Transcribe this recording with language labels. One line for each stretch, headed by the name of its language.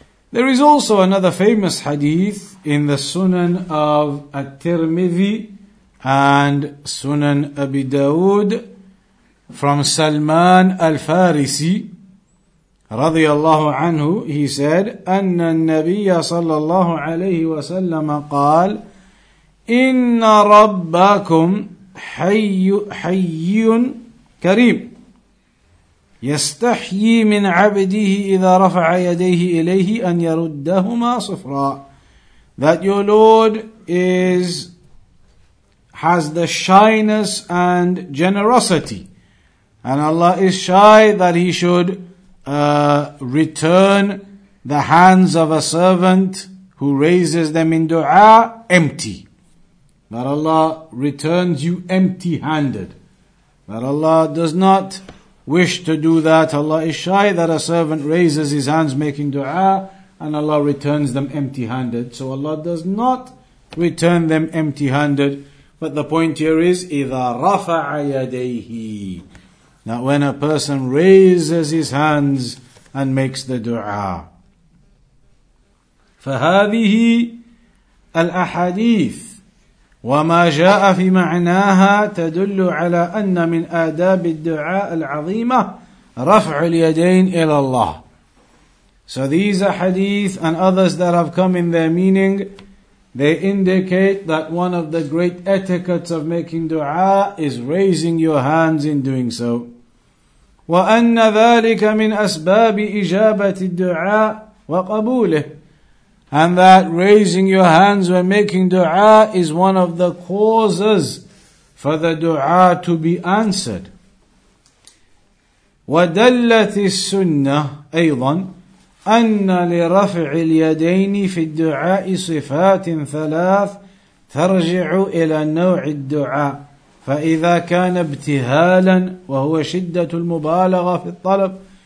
English: There is also another famous hadith in the Sunan of At-Tirmidhi and Sunan Abi Dawud from Salman Al-Farisi radiyallahu anhu. He said,
Arabic: أَنَّ النَّبِيَّ صَلَّى اللَّهُ عَلَيْهِ وَسَلَّمَ قَالَ إِنَّ رَبَّكُمْ حَيٌّ كَرِيمٌ يستحيي من عبده إذا رفع يديه إليه أن يردهما صفرا.
English: That your Lord has the shyness and generosity, and Allah is shy that he should return the hands of a servant who raises them in dua empty. That Allah returns you empty handed. That Allah does not wish to do that. Allah is shy that a servant raises his hands making dua and Allah returns them empty handed. So Allah does not return them empty handed. But the point here is,
Arabic: إِذَا رَفَعَ يَدَيْهِ,
English: that when a person raises his hands and makes the dua.
Arabic: فَهَذِهِ الْأَحَادِيثِ وما جاء في معناها تدل على أن من آداب الدعاء العظيمة رفع اليدين إلى الله.
English: So these are hadith and others that have come in their meaning. They indicate that one of the great etiquettes of making dua is raising your hands in doing so.
Arabic: وأن ذلك من أسباب إجابة الدعاء وقبوله.
English: And that raising your hands when making dua is one of the causes for the dua to be answered.
Arabic: وَدَلَّتِ السُّنَّةِ أَيْضًا أَنَّ لِرَفْعِ الْيَدَيْنِ فِي الدُّعَاءِ صِفَاتٍ ثَلَاثٍ تَرْجِعُ إِلَى نَوْعِ الدُّعَاءِ فَإِذَا كَانَ ابْتِهَالًا وَهُوَ شِدَّةُ الْمُبَالَغَةِ فِي الطَّلَبِ